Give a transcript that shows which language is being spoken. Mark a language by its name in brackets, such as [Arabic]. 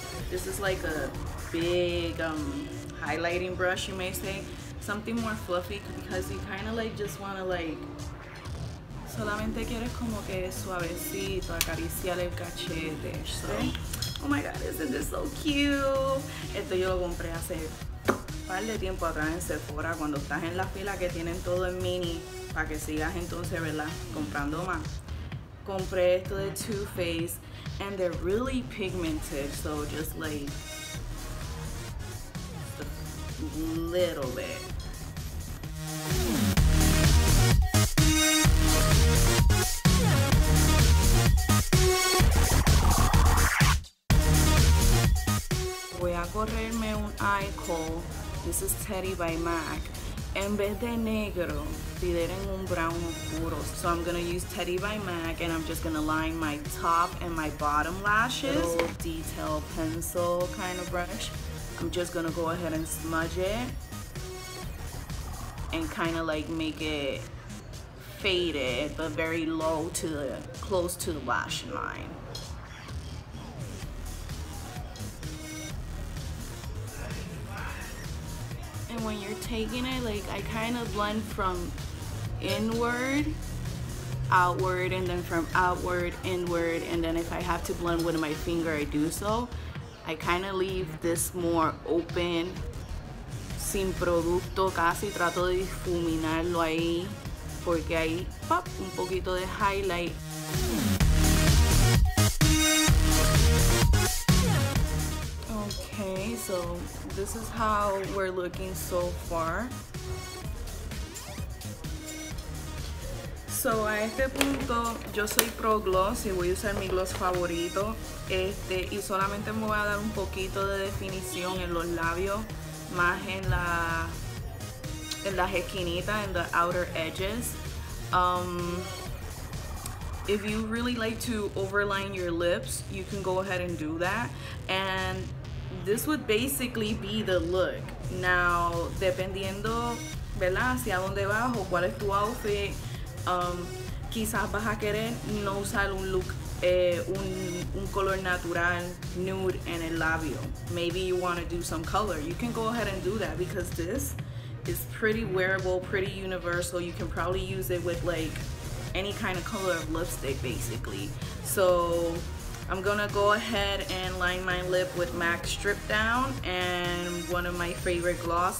[English] This is like a big highlighting brush, you may say. Something more fluffy because you kind of like just want to like, [Spanish] solamente quieres como que suavecito, acariciar el cachete. [English] So, oh my god, isn't this so cute? [Spanish] Esto yo lo compré hace un par de tiempo atrás en Sephora, cuando estás en la fila que tienen todo en mini, para que sigas entonces, ¿verdad?, comprando más. Compré esto de Too Faced. [English] And they're really pigmented, so just like a little bit. [Spanish] Voy a correrme un eye kohl. [English] This is Teddy by MAC. [Spanish] En vez de negro, pidieron un brown oscuro. [English] So I'm gonna use Teddy by MAC and I'm just gonna line my top and my bottom lashes. Little detail pencil kind of brush. I'm just gonna go ahead and smudge it and kind of like make it faded but very low to the, close to the lash line. And when you're taking it, like, I kind of blend from inward, outward, and then from outward, inward, and then if I have to blend with my finger, I do so. I kind of leave this more open, [Spanish] sin producto casi, trato de difuminarlo ahí, porque ahí, pop, un poquito de highlight. [English] Okay, so this is how we're looking so far. [Spanish] So a este punto, yo soy pro gloss y voy a usar mi gloss favorito. Y solamente me voy a dar un poquito de definición en los labios, más en las esquinitas, en [English] the outer edges. If you really like to overline your lips, you can go ahead and do that. And this would basically be the look. [Spanish] Now, dependiendo, ¿verdad?, hacia dónde vas o cuál es tu outfit, quizás vas a querer no usar un look, un color natural, nude, en el labio. [English] Maybe you want to do some color. You can go ahead and do that because this is pretty wearable, pretty universal. You can probably use it with like any kind of color of lipstick, basically. So I'm gonna go ahead and line my lip with MAC Strip Down and one of my favorite gloss.